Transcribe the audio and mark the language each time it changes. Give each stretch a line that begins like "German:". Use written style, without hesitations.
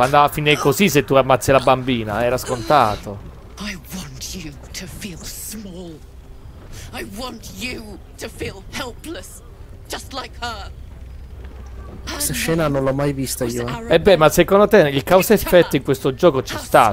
Italian: Andava a finire così se tu ammazzi la bambina. Era scontato.
English: I want you to feel small. I want you to feel helpless. Just like her.
Italian: Questa scena non l'ho mai vista io. E beh, ma secondo te il causa effetto in questo gioco ci sta?